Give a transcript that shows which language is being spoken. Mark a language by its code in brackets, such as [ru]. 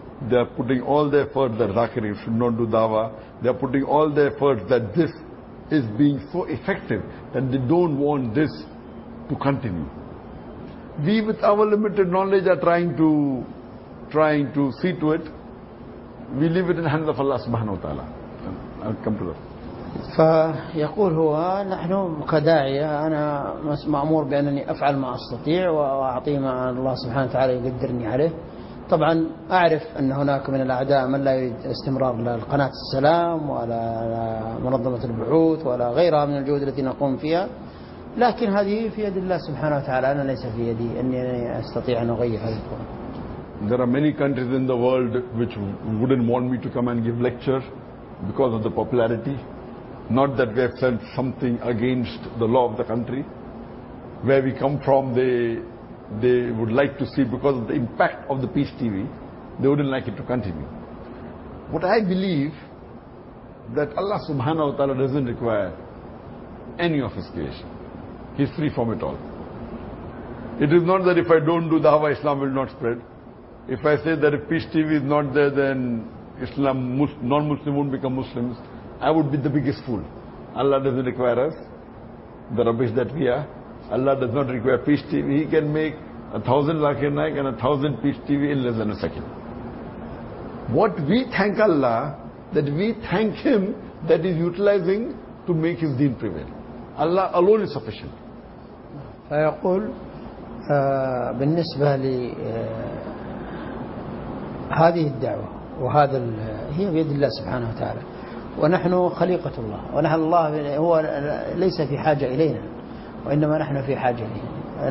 [en] They are putting all their efforts that Zakiri should not do Dawah. They are putting all their efforts that this is being so effective that they don't want this to continue. We with our limited knowledge are trying to see to it. We leave it in the hands of Allah subhanahu wa ta'ala. I'll come to that. [ar] فيقول هو نحن كداعية أنا مأمور بأنني أفعل ما أستطيع وأعطي ما الله سبحانه وتعالى يقدرني عليه. طبعا أعرف أن هناك من الأعداء من لا يريد استمرار للقناة السلام ولا منظمة البعوث ولا غيرها من الجهود التي نقوم فيها، لكن هذه في يد الله سبحانه وتعالى، أنا ليس في يدي أني أستطيع أن أغير هذه القناة. [en] There are many countries in the world which wouldn't want me to come and give lecture because of the popularity. Not that we have said something against the law of the country. Where we come from, they would like to see, because of the impact of the Peace TV, they wouldn't like it to continue. But I believe that Allah subhanahu wa ta'ala doesn't require any of His creation. He's free from it all. It is not that if I don't do Dawah, Islam will not spread. If I say that if Peace TV is not there, then Islam, non-Muslim won't become Muslims, I would be the biggest fool. Allah doesn't require us, the rubbish that we are. Allah does not require Peace TV. He can make 1,000 Zakir Naik and 1,000 Peace TV in less than a second. What we thank Allah, that we thank Him that is utilizing to make His deen prevail. Allah alone is sufficient. [ar] فيقول بالنسبة لي هذه الدعوة وهذا هي بيد الله سبحانه وتعالى. ونحن خليقة الله، ونحن الله هو ليس في حاجة إلينا، وإنما نحن في حاجة إليه.